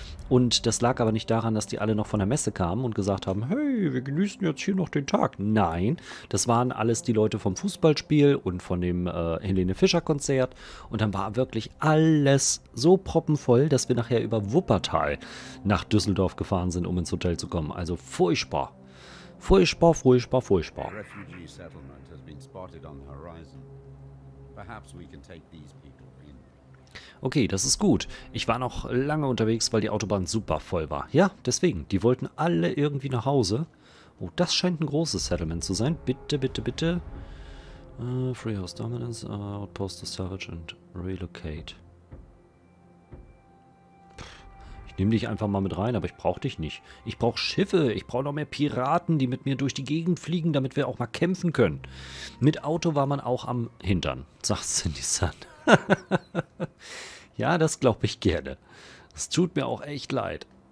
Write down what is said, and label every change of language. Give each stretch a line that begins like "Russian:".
German: Und das lag aber nicht daran, dass die alle noch von der Messe kamen und gesagt haben, hey, wir genießen jetzt hier noch den Tag. Nein, das waren alles die Leute vom Fußballspiel und von dem Helene Fischer Konzert. Und dann war wirklich alles so proppenvoll, dass wir nachher über Wuppertal nach Düsseldorf gefahren sind, um ins Hotel zu kommen. Also furchtbar. Furchtbar, furchtbar, furchtbar.
English: Ein Refugee-Settlement has been spotted on the horizon. Perhaps we can take these people.
German: Okay, das ist gut. Ich war noch lange unterwegs, weil die Autobahn super voll war. Ja, deswegen. Die wollten alle irgendwie nach Hause. Oh, das scheint ein großes Settlement zu sein. Bitte, bitte, bitte.
English: Freehouse Dominance, Outpost to Salvage and Relocate.
German: Ich nehme dich einfach mal mit rein, aber ich brauche dich nicht. Ich brauche Schiffe. Ich brauche noch mehr Piraten, die mit mir durch die Gegend fliegen, damit wir auch mal kämpfen können. Mit Auto war man auch am Hintern, sagt Cindy Sun. Ja, das glaube ich gerne. Es tut mir auch echt leid.